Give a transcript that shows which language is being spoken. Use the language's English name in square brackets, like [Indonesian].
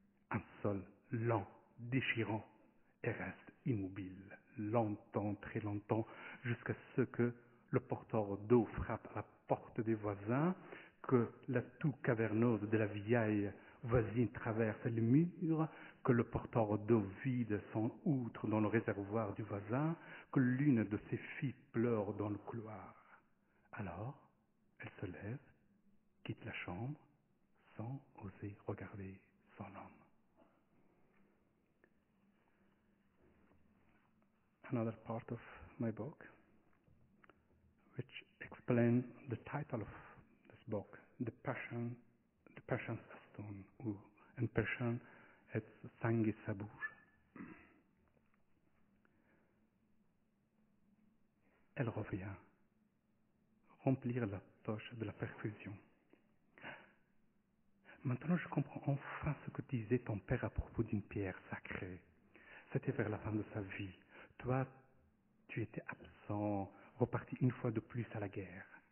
[French] Un seul lent. Déchirant, et reste immobile, longtemps, très longtemps, jusqu'à ce que le porteur d'eau frappe à la porte des voisins, que la toux caverneuse de la vieille voisine traverse le mur, que le porteur d'eau vide son outre dans le réservoir du voisin, que l'une de ses filles pleure dans le couloir. Alors, elle se lève, quitte la chambre, sans oser regarder son homme. [English] Another part of my book, which explains the title of this book, The Persian Stone, or in Persian, it's Sangi Sabur. [French] Elle revient, remplir la poche de la perfusion. Maintenant, je comprends enfin ce que disait ton père à propos d'une pierre sacrée. C'était vers la fin de sa vie. Toi, tu étais absent, reparti une fois de plus à la guerre.